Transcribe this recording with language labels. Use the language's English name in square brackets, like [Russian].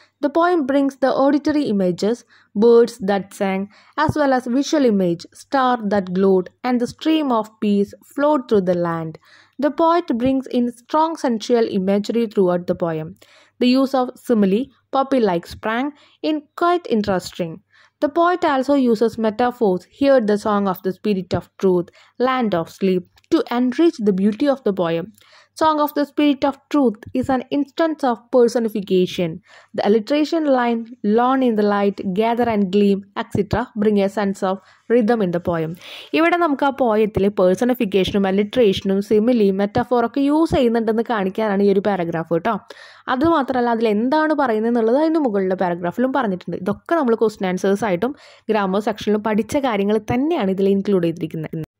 [English] The poem brings the auditory images, birds that sang as well as visual image, star that glowed and the stream of peace flowed through the land. The poet brings in strong sensual imagery throughout the poem. The use of simile, puppy like sprang in quite interesting. The poet also uses metaphors, heard the song of the spirit of truth, land of sleep, to enrich the beauty of the poem. Song of the spirit of truth is an instance of personification. The alliteration line, lawn in the light, gather and gleam, etc. bring a sense of rhythm in the poem. [Malayalam] ഇവിടെ നമുക്ക് ആ പോയത്തിലെ പേഴ്സണിഫിക്കേഷനും അലിട്രേഷനും സിമിലിയും മെറ്റഫോറൊക്കെ use ചെയ്യുന്നുണ്ടെന്ന് കാണിക്കാനാണ് ഈ ഒരു paragraph കേട്ടോ. അതുമാത്രമല്ല അതിൽ എന്താണ് പറയുന്നതെന്നുള്ളത് അതിന് മുകളിലെ പാരഗ്രാഫിലും പറഞ്ഞിട്ടുണ്ട്. ഇതൊക്കെ നമ്മൾ ക്വസ്റ്റ്യൻ ആൻസേഴ്സ് ആയിട്ടും ഗ്രാമർ സെക്ഷനിലും പഠിച്ച കാര്യങ്ങൾ തന്നെയാണ് ഇതിൽ ഇൻക്ലൂഡ് ചെയ്തിരിക്കുന്നത്.